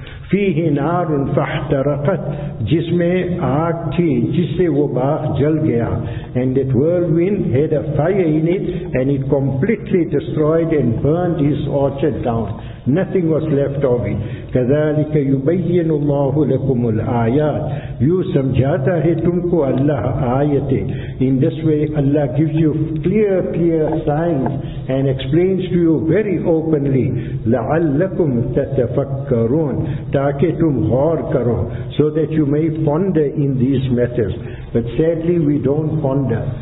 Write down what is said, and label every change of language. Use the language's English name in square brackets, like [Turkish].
[Arabic] فیہ نار فاحترقت, [Urdu] جس میں آگ تھی جس سے وہ باغ جل گیا. [English] And that whirlwind had a fire in it and it completely destroyed and burned his orchard down. Nothing was left of it. [Arabic] كَذَلِكَ يُبَيِّنُ اللَّهُ لَكُمُ الْآيَاتِ, [Urdu] یوں سمجھاتا ہے تم کو اللہ آیتیں. [English] In this way Allah gives you clear signs and explains to you very openly. [Arabic] لَعَلَّكُمْ تَتَفَكَّرُونَ, [Urdu] تاکہ تم غور کرو. [English] So that you may ponder in these matters. But sadly we don't ponder.